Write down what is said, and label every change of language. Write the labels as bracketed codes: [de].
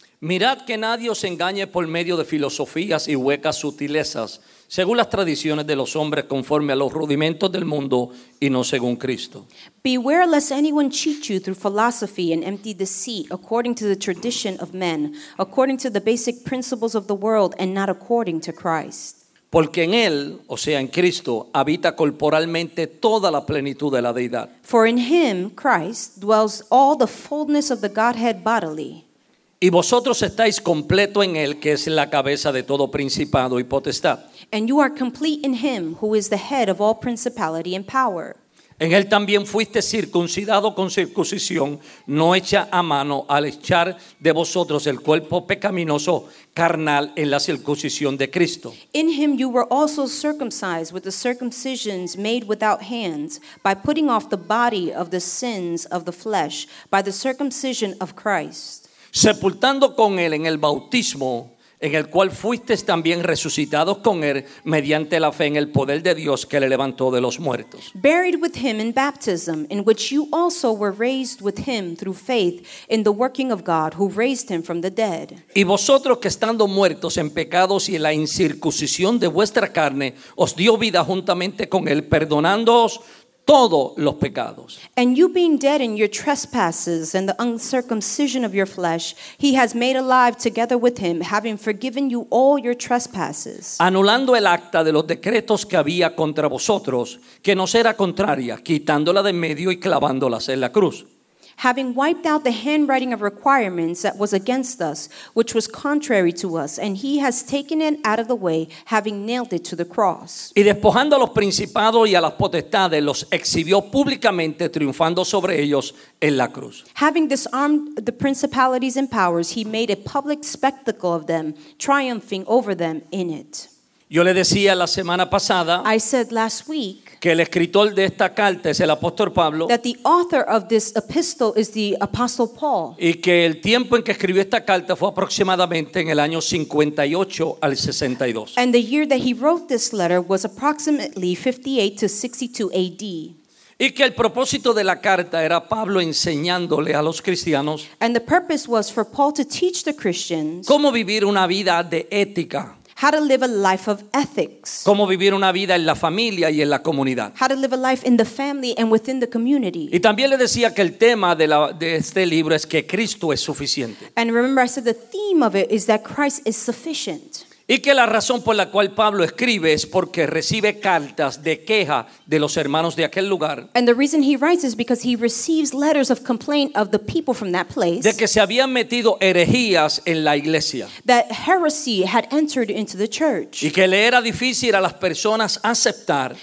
[es] Mirad que nadie os engañe por medio de filosofías y huecas sutilezas, según las tradiciones de los hombres, conforme a los rudimentos del mundo y no según Cristo. [en] Beware lest anyone cheat you through philosophy and empty deceit, according to the tradition of men, according to the basic principles of the world, and not according to Christ. [es] Porque en Él, o sea, en Cristo, habita corporalmente toda la plenitud de la Deidad. [en] For in Him, Christ, dwells all the fullness of the Godhead bodily. [es] Y vosotros estáis completo en Él, que es la cabeza de todo principado y potestad. [en] And you are complete in Him, who is the head of all principality and power. [es] En Él también fuiste circuncidado con circuncisión, no hecha a mano, al echar de vosotros el cuerpo pecaminoso carnal en la circuncisión de Cristo. [en] In Him you were also circumcised with the circumcisions made without hands, by putting off the body of the sins of the flesh, by the circumcision of Christ. [es] Sepultando con Él en el bautismo, en el cual fuisteis también resucitados con Él mediante la fe en el poder de Dios que le levantó de los muertos. [en] Buried with Him in baptism, in which you also were raised with Him through faith in the working of God who raised Him from the dead. [es] Y vosotros que estando muertos en pecados y en la incircuncisión de vuestra carne, os dio vida juntamente con Él, perdonándoos todos los pecados. [en] And you being dead in your trespasses and the uncircumcision of your flesh, He has made alive together with Him, having forgiven you all your trespasses. [es] Anulando el acta de los decretos que había contra vosotros, que nos era contraria, quitándola de en medio y clavándolas en la cruz. [en] Having wiped out the handwriting of requirements that was against us, which was contrary to us, and He has taken it out of the way, having nailed it to the cross. [es] Y despojando a los principados y a las potestades, los exhibió públicamente, triunfando sobre ellos en la cruz. [en] Having disarmed the principalities and powers, He made a public spectacle of them, triumphing over them in it. [es] Yo le decía la semana pasada, [en] I said last week, [es] que el escritor de esta carta es el apóstol Pablo, [en] that the author of this epistle is the apostle Paul, [es] y que el tiempo en que escribió esta carta fue aproximadamente en el año 58 al 62. [en] And the year that he wrote this letter was approximately 58 to 62 AD. [es] Y que el propósito de la carta era Pablo enseñándole a los cristianos, [en] and the purpose was for Paul to teach the Christians, [es] cómo vivir una vida de ética. [en] How to live a life of ethics. [es] Cómo vivir una vida en la familia y en la comunidad. [en] How to live a life in the family and within the community. [es] Y también le decía que el tema de este libro es que Cristo es suficiente. [en] And remember, I said the theme of it is that Christ is sufficient. [es] Y que la razón por la cual Pablo escribe es porque recibe cartas de queja de los hermanos de aquel lugar. [en] And the reason he writes is because he receives letters of complaint of the people from that place. [es] De que se habían metido herejías en la iglesia. [en] That heresy had entered into the church. [es] Y que le era difícil a las personas aceptar.